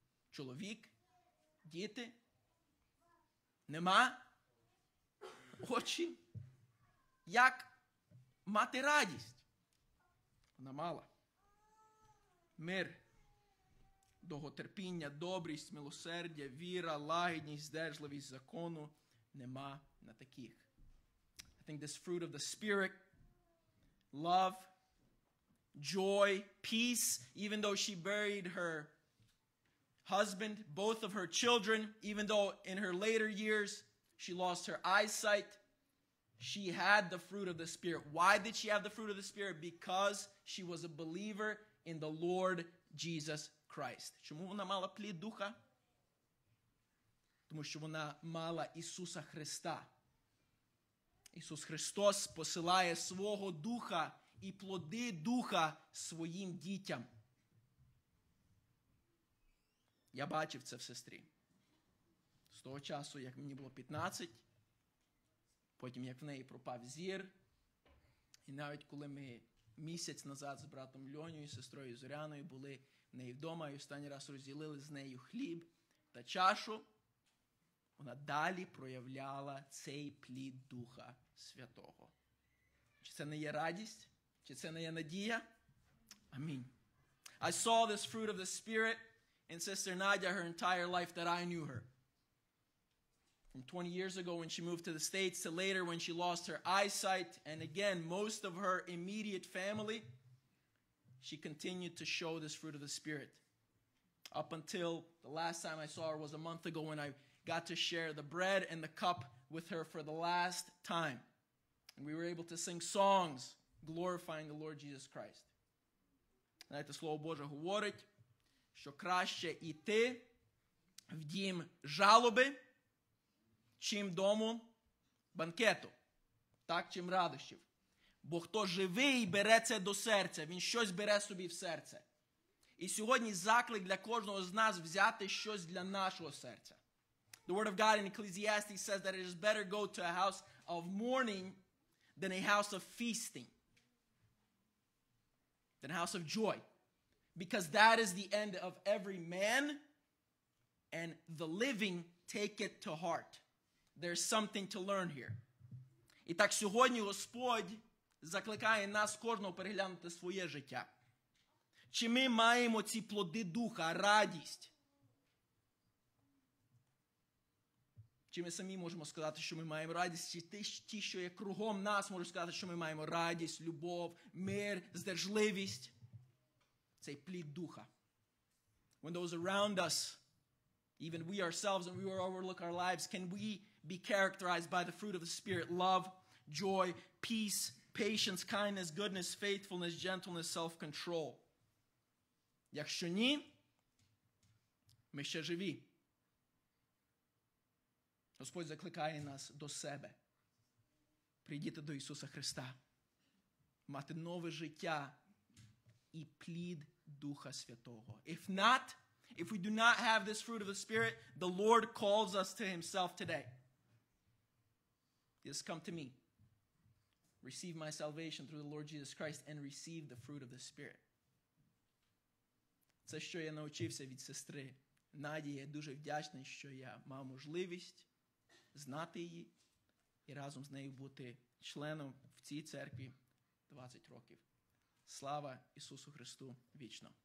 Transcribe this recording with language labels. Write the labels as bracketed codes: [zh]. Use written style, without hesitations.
[uk] Чоловік, діти, нема, очі. Як мати радість? Вона мала. Мир, довготерпіння, добрість, милосердя, віра, лагідність, здержливість, закону нема на таких. [en] I think this fruit of the Spirit, love, joy, peace, even though she buried her husband, both of her children, even though in her later years she lost her eyesight, she had the fruit of the Spirit. Why did she have the fruit of the Spirit? Because she was a believer in the Lord Jesus Christ. [uk] Чому вона мала плід духа? Тому що вона мала Ісуса Христа. Ісус Христос посилає свого духа і плоди духа своїм дітям. Я бачив це в сестрі. З того часу, як мені було 15, потім як в неї пропав зір, і навіть коли ми місяць назад з братом Льонею, сестрою Зоряною були в неї вдома, і останній раз розділили з нею хліб та чашу, вона далі проявляла цей плід Духа Святого. Чи це не є радість? Чи це не є надія? Амінь. [en] I saw this fruit of the Spirit in sister Nadia her entire life that I knew her. From 20 years ago when she moved to the States to later when she lost her eyesight and again most of her immediate family, she continued to show this fruit of the Spirit. Up until the last time I saw her was a month ago when I got to share the bread and the cup with her for the last time. And we were able to sing songs glorifying the Lord Jesus Christ. [uk] Знаєте, Слово Боже говорить, що краще йти в дім жалоби, чим дому банкету, так, чим радощів. Бо хто живий, бере це до серця, він щось бере собі в серце. І сьогодні заклик для кожного з нас взяти щось для нашого серця. [en] The word of God in Ecclesiastes says that it is better go to a house of mourning than a house of feasting. Than a house of joy. Because that is the end of every man and the living take it to heart. There's something to learn here. [uk] І так сьогодні Господь закликає нас кожного переглянути своє життя. Чи ми маємо ці плоди духа, радість? Чи ми самі можемо сказати, що ми маємо радість? Чи ті, що є кругом нас, можуть сказати, що ми маємо радість, любов, мир, здержливість? Цей плід духа. [en] When those around us, even we ourselves, and we overlook our lives, can we be characterized by the fruit of the Spirit, love, joy, peace, patience, kindness, goodness, faithfulness, gentleness, self-control. [uk] Якщо ні, ми ще живі. Господь закликає нас до себе, прийдіти до Ісуса Христа, мати нове життя і плід Духа Святого. [en] If not, if we do not have this fruit of the Spirit, the Lord calls us to Himself today. Just come to me. Receive my salvation through the Lord Jesus Christ and receive the fruit of the Spirit. [uk] Це, що я навчився від сестри Надії, я дуже вдячний, що я мав можливість знати її і разом з нею бути членом в цій церкві 20 років. Слава Ісусу Христу вічно.